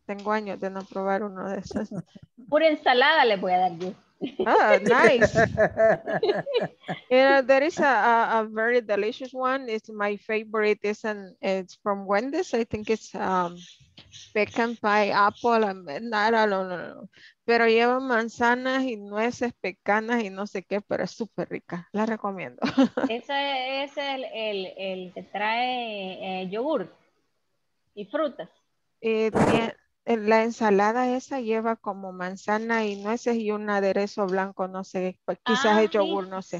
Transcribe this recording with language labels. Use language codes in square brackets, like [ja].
[es] Tengo años de no probar uno de esos. Pura ensalada le voy a dar yo. [en] Oh, nice. You know, there is a very delicious one. It's my favorite. It's from Wendy's. I think it's pecan pie, apple, and I don't know. [es] Pero lleva manzanas y nueces, pecanas y no sé qué, pero es súper rica. La recomiendo. Ese es el que trae yogur y frutas. La ensalada esa lleva como manzana y nueces y un aderezo blanco, no sé, quizás es yogur, no sé.